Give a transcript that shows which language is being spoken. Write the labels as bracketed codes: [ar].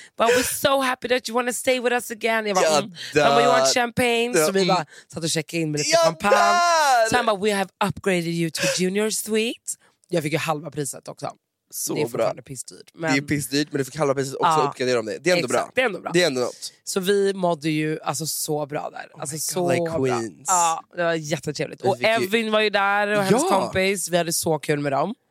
[en] But we're so happy that you want to stay with us again. [sv] Jag bara, ja, de bara, [en] you want champagne? [sv] Ja. Så vi bara, satt och checkade in med lite champagne. Så han bara, [en] we have upgraded you to junior suite. [sv] Jag fick ju halva priset också. Så det är bra. Pissdyrt, men... Det är pissdyrt, men du fick halva priset också uppgradera om det. Det är ändå exakt. Bra. Det är ändå bra. Det är ändå något. Så vi mådde ju alltså så bra där. Oh alltså [en] God, [sv] så [en] like queens. [sv] Bra. Ja, det var jättetrevligt. Och Evin var ju där och hennes kompis. Vi hade så kul med dem.